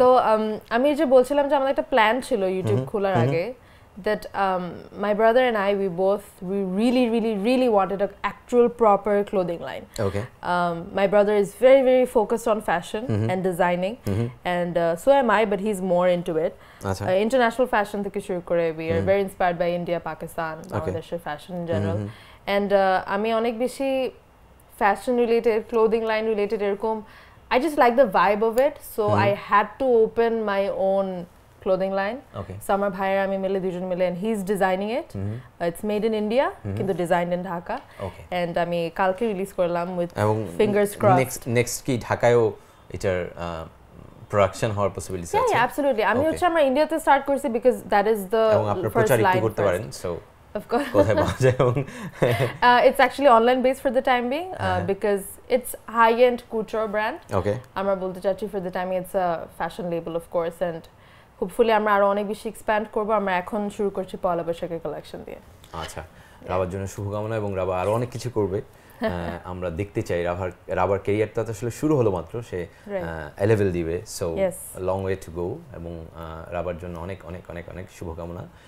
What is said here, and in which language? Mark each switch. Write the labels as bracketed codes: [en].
[bn] So আমি যে বলছিলাম যে আমাদের একটা প্ল্যান ছিল ইউটিউব খোলার আগে, [en] that my brother and I, we really really really wanted a actual proper clothing line. Okay. My brother is very very focused on fashion and designing, and so am I, but he's more into it. [bn] Acha. [en] International fashion [bn] theke shuru kore, [en] we are very inspired by India, Pakistan, Bangladesh fashion in general. And [bn] ami onek beshi [en] fashion related, clothing line related erkom, I just like the vibe of it, so I had to open my own clothing line. Okay. [bn] Summer bhaiya ami mile dujon mile [en] and he's designing it. It's made in India, kintu designed in Dhaka. Okay. [bn] And ami kalke release korlam [en] with fingers crossed. [bn] Next ki Dhakayo etar production hoar possibility ache. [en] Yeah, absolutely. [bn] Ami hocche amra India te start korchi [en] because that is the first line [bn] korte paren. So [en] of course. it's actually online based for the time being because it's high end couture brand. Okay. [bn] Amra bolte chachi [en] for the time being it's a fashion label of course, and hopefully [bn] আমরা আরো অনেক বেশি expand করব। আমরা এখন শুরু করছি পয়লা বৈশাখের কালেকশন দিয়ে। আচ্ছা, রাবার জন্য শুভকামনা এবং রাবা আরো অনেক কিছু করবে আমরা দেখতে চাই। রাবার ক্যারিয়ারটা তো আসলে শুরু হলো মাত্র, সে এলেভেল দিবে, [en] so long way to go [bn] এবং রাবার জন্য অনেক অনেক অনেক অনেক শুভকামনা।